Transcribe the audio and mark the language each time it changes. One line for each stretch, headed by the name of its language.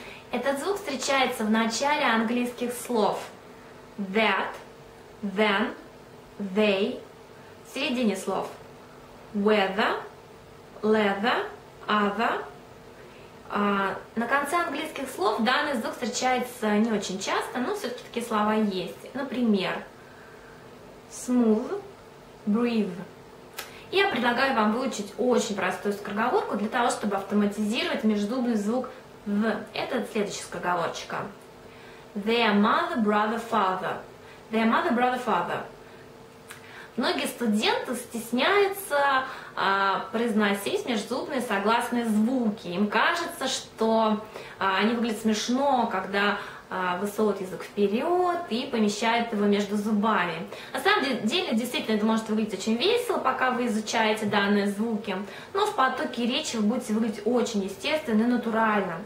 Russian: Этот звук встречается в начале английских слов
English: that, then, they,
Russian: в середине слов
English: whether, leather, other.
Russian: На конце английских слов данный звук встречается не очень часто, но все-таки слова есть. Например,
English: smooth, breathe.
Russian: Я предлагаю вам выучить очень простую скороговорку для того, чтобы автоматизировать межзубный звук «в». Это следующая скороговорочка.
English: Their mother, brother, father. Their mother, brother, father.
Russian: Многие студенты стесняются произносить межзубные согласные звуки. Им кажется, что они выглядят смешно, когда высовывают язык вперед и помещают его между зубами. На самом деле, действительно, это может выглядеть очень весело, пока вы изучаете данные звуки, но в потоке речи вы будете выглядеть очень естественно и натурально.